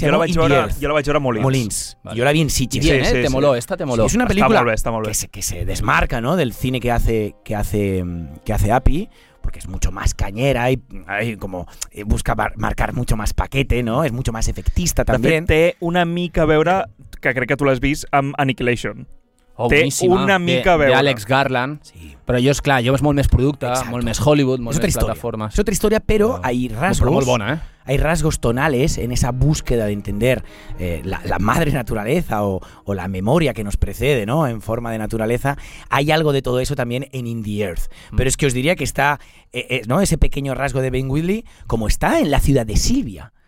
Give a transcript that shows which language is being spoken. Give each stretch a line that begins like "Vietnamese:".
Spanish: se llama In the Earth. Yo
Catalan: la vaig veure a Molins.
Spanish: Vale. Yo la vi en Sitges. Bien, sí, te moló, esta te moló. Sí, es una película
Catalan: está molt bé.
Spanish: Que se desmarca, ¿no?, del cine que hace Api, porque es mucho más cañera y busca marcar mucho más paquete, ¿no? Es mucho más efectista también.
Catalan: De fet, té una mica a veure, que crec que tú l'has vist, amb Annihilation. Oh, té boníssima. Una mica
Spanish: de Alex Garland. Sí.
Catalan: Però jo, esclar, jo és molt més producte, exacte, molt més Hollywood, molt més plataformes. És altra història, però no,
Spanish: hay rasgos,
Catalan: però molt bona, eh?
Spanish: Hay rasgos tonales en esa búsqueda de entender la madre naturaleza o la memoria que nos precede, ¿no? En forma de naturaleza. Hay algo de todo eso también en In the Earth. Pero es que os diría que está ¿no? ese pequeño rasgo de Ben Wheatley como está en La ciudad de Silvia.